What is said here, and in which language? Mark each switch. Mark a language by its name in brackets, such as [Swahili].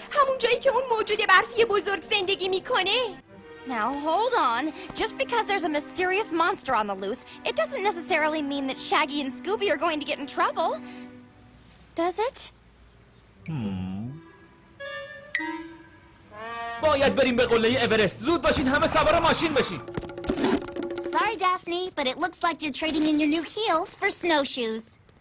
[Persian] همون جایی که اون موجود برفی بزرگ زندگی میکنه. [English] Now, hold on. Just because there's a mysterious monster on the loose, it doesn't necessarily mean that Shaggy and Scooby are going to get in trouble. Does it? [Persian] باید بریم به قله اورست. زود باشین، همه سوار ماشین بشین. [English] Sorry, Daphne, but it looks like you're trading in your new heels for snowshoes.